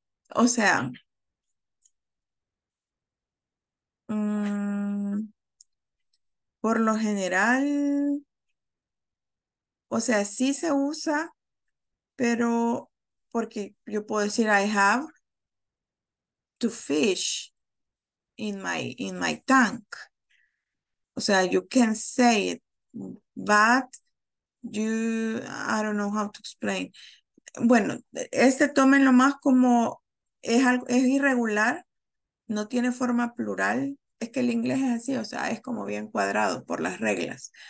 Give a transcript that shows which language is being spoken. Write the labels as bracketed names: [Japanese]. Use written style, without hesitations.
[Spanish] O sea, por lo general, o sea, sí se usa, pero porque yo puedo decir, [English] I have to fish in my tank. [Spanish] O sea, [English] you can say it, but I don't know how to explain. [Spanish] Bueno, este tómenlo más como es algo, es irregular, no tiene forma plural. Es que el inglés es así, o sea, es como bien cuadrado por las reglas.